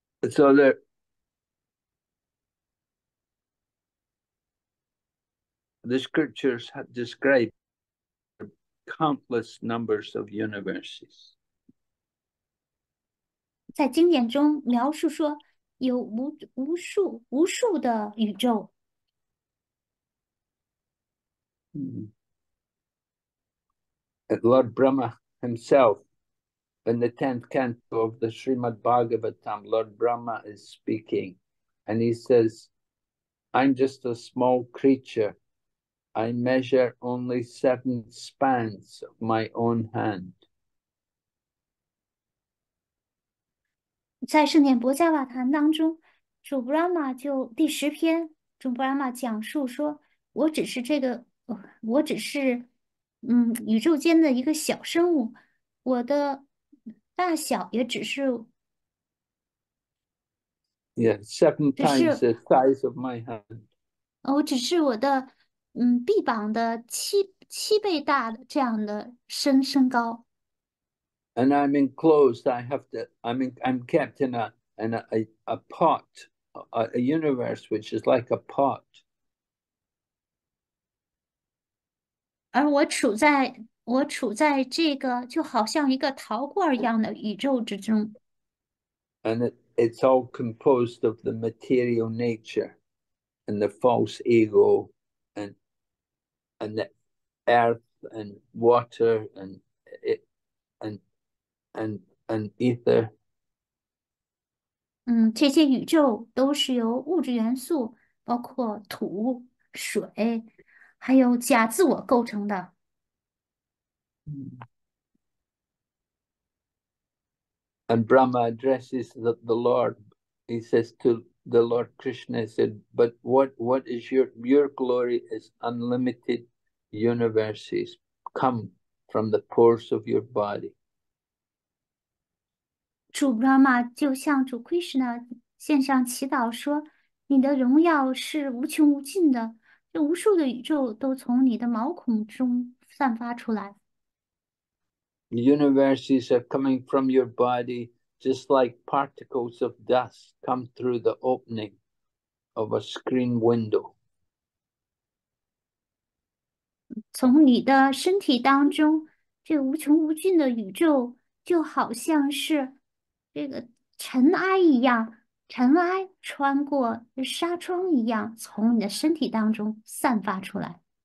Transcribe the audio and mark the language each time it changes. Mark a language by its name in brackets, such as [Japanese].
[English] So the scriptures have described countless numbers of universes. [Chinese] 在经典中描述说，有无数的宇宙。 [English] Lord Brahma himself. In the 10th canto of the Srimad Bhagavatam, Lord Brahma is speaking and he says, I'm just a small creature. I measure only seven spans of my own hand. [Chinese] 在圣典薄伽瓦坛当中，主 Brahma 就第十篇，主 Brahma 讲述说：“我只是这个，我只是，宇宙间的一个小生物，我的大小也只是， [English] Yeah, seven [Chinese] 只 [English] times [Chinese] 是， [English] the size of my hand. [Chinese] 哦，只是我的，臂膀的七倍大的这样的身高。” [English] And I'm enclosed. I have to. I'm kept in a pot, a universe which is like a pot. [Chinese] 而我处在这个就好像一个陶罐一样的宇宙之中。 [English] It's all composed of the material nature and the false ego and the earth and water and it and ether. [Chinese] 这些宇宙都是由物质元素，包括土、水。还有假自我构成的。 [English] And Brahma addresses the Lord. He says to the Lord Krishna, he said, but what is your glory is unlimited universes come from the pores of your body. [Chinese] 主 Brahma 就向主 Krishna 献上祈祷说：“你的荣耀是无穷无尽的，这无数的宇宙都从你的毛孔中散发出来。 [English] Universes are coming from your body just like particles of dust come through the opening of a screen window. [Chinese] ”从你的身体当中，这无穷无尽的宇宙就好像是。这个尘埃一样，尘埃穿过纱窗一样，从你的身体当中散发出来。